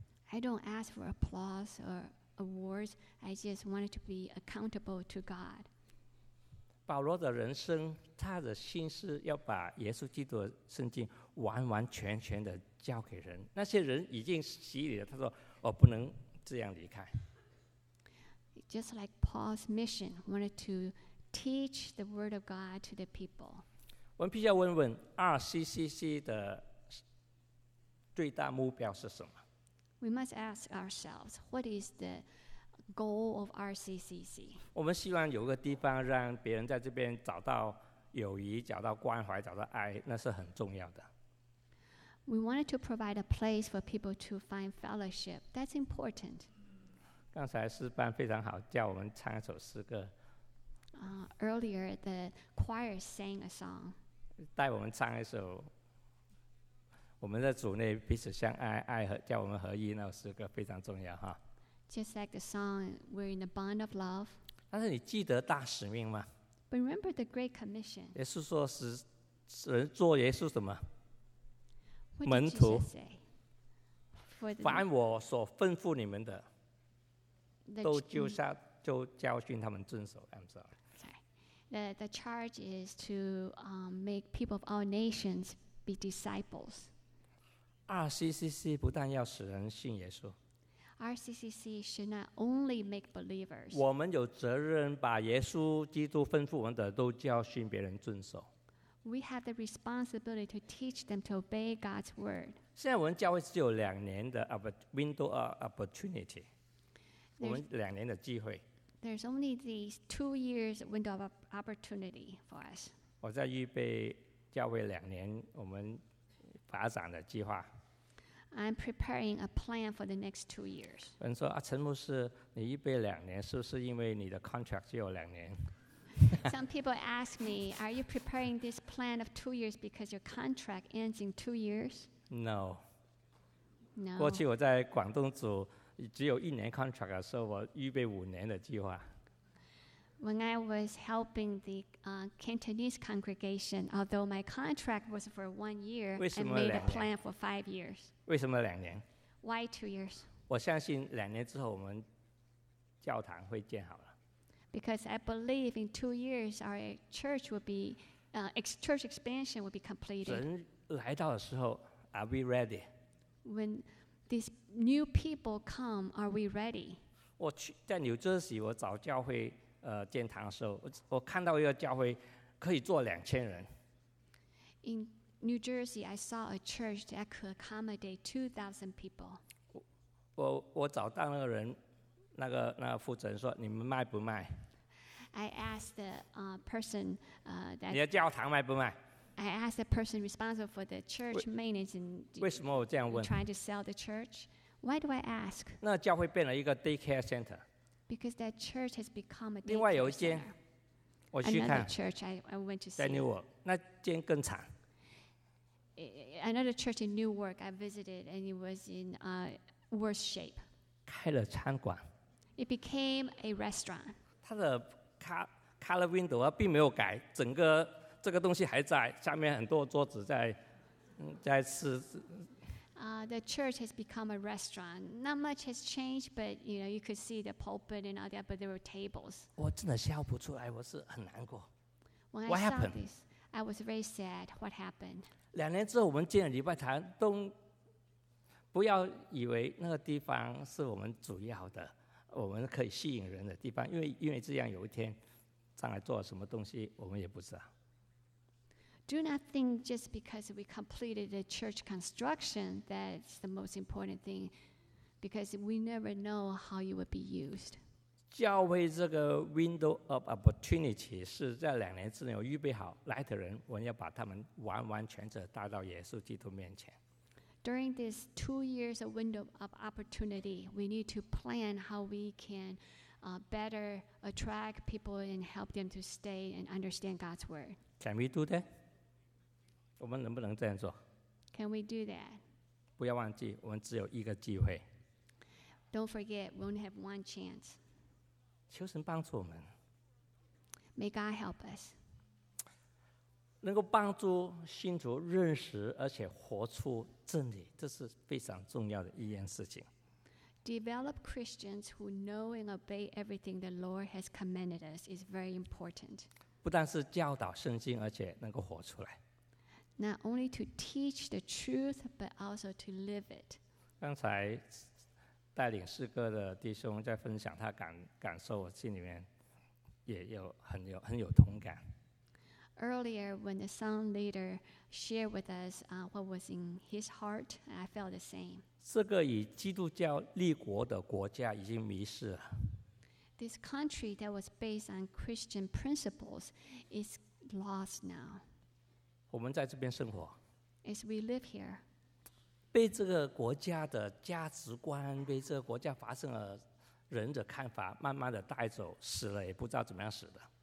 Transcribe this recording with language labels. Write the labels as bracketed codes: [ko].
[en] I don't ask for applause or awards. I just wanted to be accountable to God. [zh] 保罗的人生，他的心是要把耶稣基督的圣经完完全全的交给人。那些人已经洗礼了，他说：“我不能这样离开。” [en] Just like Paul's mission, wanted to teach the word of God to the people. [zh] 我们必须要问问 RCCC 的最大目标是什么？ [en] We must ask ourselves, what is the goal of RCCC? [zh] 我们希望有个地方让别人在这边找到友谊，找到关怀，找到爱，那是很重要的。 [en] We wanted to provide a place for people to find fellowship. That's important. [zh] 刚才诗班非常好，叫我们唱一首诗歌。 [en] Earlier, the choir sang a song. [zh] 带我们唱一首我们在主内彼此相爱，爱和叫我们合一，那是个非常重要哈。 [en] Just like the song, we're in the bond of love. [zh] 但是你记得大使命吗？ [en] But remember the Great Commission. [zh] 耶稣说是人做耶稣什么？ [en] What [zh] 门徒。 [en] For the [zh] 凡我所吩咐你们的， [en] the [zh] 都就下就教训他们遵守。 [en] I'm sorry. The charge is to make people of all nations be disciples. [zh] RCCC 不但要使人信耶稣， [en] RCCC should not only make believers. [zh] 我们有责任把耶稣基督吩咐我们的都教训别人遵守。 [en] We have the responsibility to teach them to obey God's word. [zh] 现在我们教会只有两年的 [en] window of opportunity. [zh] 我们两年的机会。 [en] There's only these 2 years window of opportunity for us. [zh] 我在预备教会两年，我们。发展的计划。 [en] I'm preparing a plan for the next 2 years. [zh] 人说啊，陈牧师，你预备两年，是不是因为你的 contract 只有两年？ [en] Some people ask me, are you preparing this plan of 2 years because your contract ends in 2 years? No. No. [zh] 过去我在广东组只有一年 contract 的时候，我预备五年的计划。 [en] When I was helping the Cantonese congregation, although my contract was for 1 year, I made a plan for 5 years. [zh] 为什么两年？ [en] Why 2 years? [zh] 我相信两年之后我们教堂会建好了。 [en] Because I believe in 2 years our church will be, church expansion will be completed. [zh] 人来到的时候 ， [en] Are we ready? When these new people come, are we ready? [zh] 我去在纽泽西，我找教会。建堂的时候 我看到一个教会可以坐2000人。 [en] In New Jersey, I saw a church that could accommodate 2,000 people. [zh] 我找到那个人那个负责人说你们卖不卖？ [en] I asked the person that [zh] 你的教堂卖不卖？ [en] I asked the person responsible for the church maintenance and [zh] 为什么我这样问？ [en] Trying to sell the church. Why do I ask? [zh] 那教会变了一个 daycare center. [en] Because that church has become a daycare [zh] 另外有一间 [en] center. [zh] 我去看 [en] Another church I went to see. [zh] 在 Newark 那间更惨。 [en] Another church in Newark I visited and it was in worse shape. [zh] 开了餐馆。 [en] It became a restaurant. [zh] 它的 color window 并没有改，整个这个东西还在，下面很多桌子在吃。 [en] The church has become a restaurant. Not much has changed, but you know, you could see the pulpit and all that, but there were tables. [zh] 我真的笑不出来，我是很难过。 [en] When I saw this, I was very sad. What happened? [zh] 两年之后，我们建了礼拜堂，都不要以为那个地方是我们主要的。我们可以吸引人的地方，因为这样有一天上来做什么东西我们也不知道。 [en] Do not think just because we completed the church construction that's the most important thing, because we never know how you would be used. [zh] 教会这个 [en] window of opportunity [zh] 是在两年之内我预备好来的人，我要把他们完完全全带到耶稣基督面前。 [en] During this 2 years of window of opportunity, we need to plan how we can better attract people and help them to stay and understand God's word. Can we do that? [zh] 我们能不能这样做？ [en] Can we do that? [zh] 不要忘记，我们只有一个机会。 [en] Don't forget, we only have one chance. [zh] 求神帮助我们。 [en] May God help us. [zh] 能够帮助信徒认识而且活出真理，这是非常重要的一件事情。 [en] Develop Christians who know and obey everything the Lord has commanded us is very important. [zh] 不但是教导圣经，而且能够活出来。 [en] Not only to teach the truth, but also to live it. [zh] 刚才带领诗歌的弟兄在分享他感受，我心里面也有很有同感。 [en] Earlier, when the song leader shared with us what was in his heart, I felt the same. [zh] 这个以基督教立国的国家已经迷失了。 [en] This country that was based on Christian principles is lost now. [zh] 我们在这边生活。 [en] As we live here. [zh] 被这个国家的价值观，被这个国家发生了人的看法，慢慢的带走，死了也不知道怎么样死的。